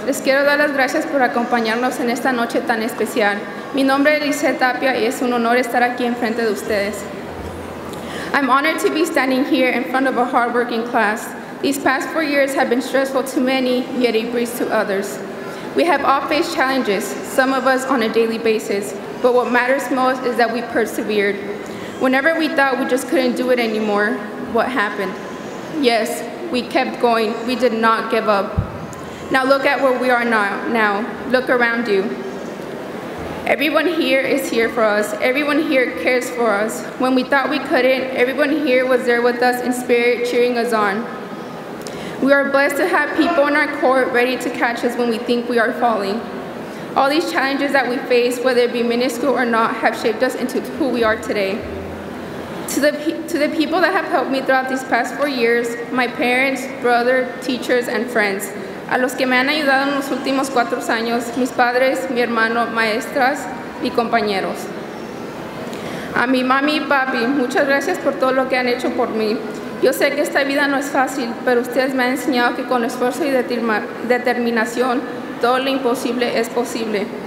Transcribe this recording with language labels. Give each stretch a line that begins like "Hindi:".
Spanish: Les quiero dar las gracias por acompañarnos en esta noche tan especial. Mi nombre es Lizette Tapia y es un honor estar aquí en frente de ustedes.
English: I'm honored to be standing here in front of a hardworking class. These past 4 years have been stressful to many, yet a breeze to others. We have all faced challenges, some of us on a daily basis, but what matters most is that we persevered. Whenever we thought we just couldn't do it anymore, what happened? Yes, we kept going. We did not give up. Now look at where we are now. Look around you. Everyone here is here for us. Everyone here cares for us. When we thought we couldn't, everyone here was there with us in spirit, cheering us on. We are blessed to have people in our court ready to catch us when we think we are falling. All these challenges that we face, whether it be minuscule or not, have shaped us into who we are today. To the people that have helped me throughout these past 4 years, my parents, brother, teachers, and friends.
Spanish: A los que me han ayudado en los últimos 4 años, mis padres, mi hermano, maestras y compañeros. A mi mami y papi, muchas gracias por todo lo que han hecho por mí. Yo sé que esta vida no es fácil, pero ustedes me han enseñado que con esfuerzo y determinación, todo lo imposible es posible.